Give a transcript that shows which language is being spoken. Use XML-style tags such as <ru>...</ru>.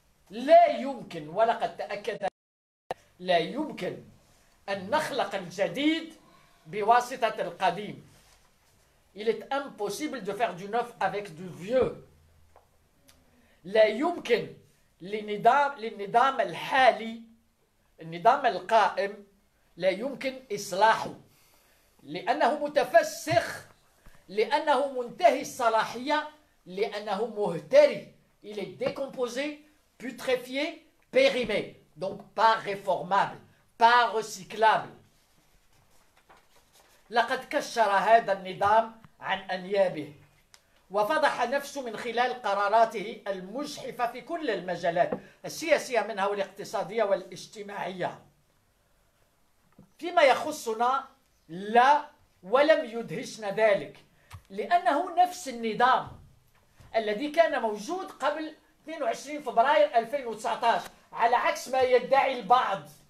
<ar>لا يمكن، ولقد تأكد، لا يمكن أن نخلق الجديد بواسطة القديم.</ar> <fr>Il est impossible de faire du neuf avec du vieux.</fr> <ar>لا يمكن للنظام الحالي، النظام القائم، لا يمكن إصلاحه، لأنه متفسخ، لأنه منتهي الصلاحية، لأنه مهتري.</ar> <fr>Il est décomposé, putréfié, périmé. Donc pas réformable, pas recyclable.</fr> <ar>لقد كشر هذا النظام عن أنيابه، وفضح نفسه من خلال قراراته المجحفة في كل المجالات السياسية منها والاقتصادية والاجتماعية. فيما يخصنا لا ولم يدهشنا ذلك، لأنه نفس النظام الذي كان موجود قبل 22 فبراير 2019 على عكس ما يدعي البعض.</ar>